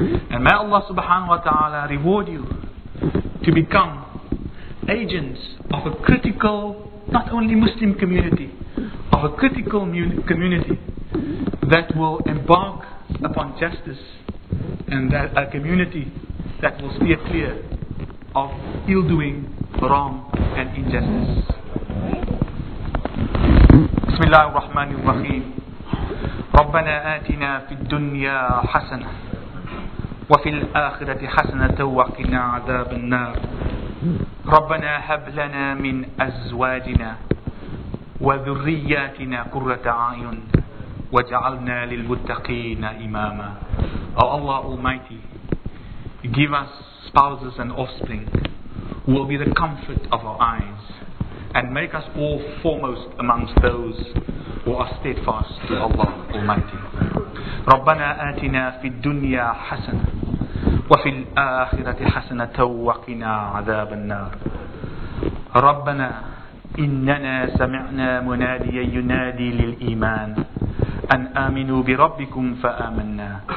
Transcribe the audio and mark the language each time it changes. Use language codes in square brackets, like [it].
[en] And may Allah subhanahu wa ta'ala reward you to become agents of a critical, not only Muslim community, of a critical community that will embark upon justice, and that a community that will steer clear of ill-doing, wrong and injustice. [ar] بسم الله الرحمن الرحيم ربنا آتنا في الدنيا حسنة وفي الآخرة حسنة وقنا عذاب النار ربنا هب لنا من أزواجنا وذرياتنا قرة أعين وجعلنا للمتقين إماما. [en] O Allah Almighty, give us spouses and offspring who will be the comfort of our eyes, and make us all foremost amongst those who are steadfast to Allah Almighty. [ar] ربنا آتنا في الدنيا حسنة وفي الآخرة حسنة وقنا عذاب النار. ربنا إننا سمعنا مناديا ينادي للإيمان أن آمنوا بربكم فآمنا.